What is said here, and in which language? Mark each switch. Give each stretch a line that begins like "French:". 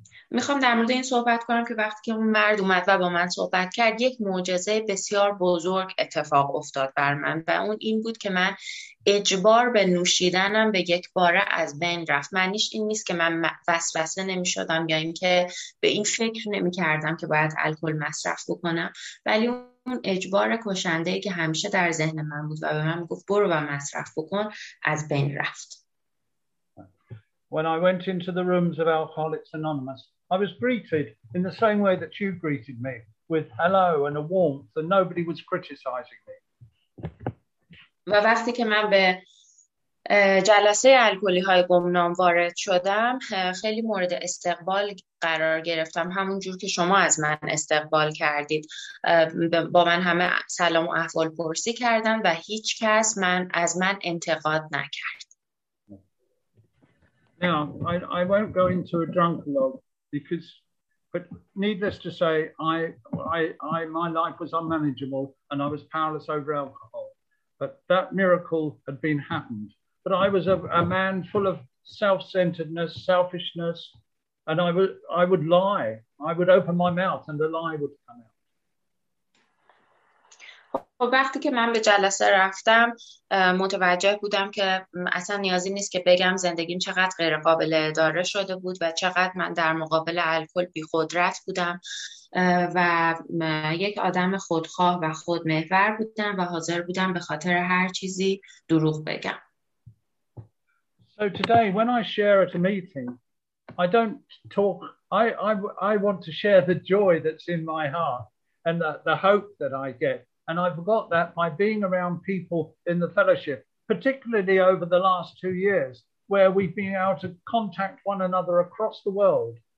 Persian: میخوام در مورد این صحبت کنم که وقتی که اون مرد اومد و با من صحبت کرد، یک معجزه بسیار بزرگ اتفاق افتاد بر من و اون این بود که من اجبار به نوشیدنم به یک باره از بین رفت. معنیش این نیست که من وسوسه نمیشدم یا اینکه به این فکر نمیکردم که باید الکل مصرف بکنم، ولی اون اجبار کشنده‌ای که همیشه در ذهن من بود و به من گفت برو و مصرف بکن از بین رفت.
English: When I went into the rooms of Alcoholics Anonymous, I was greeted in the same way that you greeted me, with hello and a warmth, and nobody was criticizing me.
Persian: و وقتی که من به جلسه الکلی‌های گمنام وارد شدم، خیلی مورد استقبال قرار گرفتم، همون جور که شما از من استقبال کردید. با من همه سلام و احوالپرسی کردند و هیچ کس از من انتقاد نکرد.
English: Now, I won't go into a drunken log but needless to say, I my life was unmanageable and I was powerless over alcohol. But that miracle had been happened. But I was a man full of self-centeredness, selfishness, and I would lie. I would open my mouth and a lie would come out.
Persian: و وقتی که من به جلسه رفتم، متوجه بودم که اصلا نیازی نیست که بگم زندگیم چقدر غیر قابل اداره شده بود و چقدر من در مقابل الکل بی‌قدرت بودم و یک آدم خودخواه و خودمحور بودم و حاضر بودم به خاطر هر چیزی دروغ بگم.
English: So today when I share at a meeting, I don't talk. I want to share the joy that's in my heart and the hope that I get. And I forgot that by being around people in the fellowship, particularly over the last 2 years, where we've been able to contact one another across the world.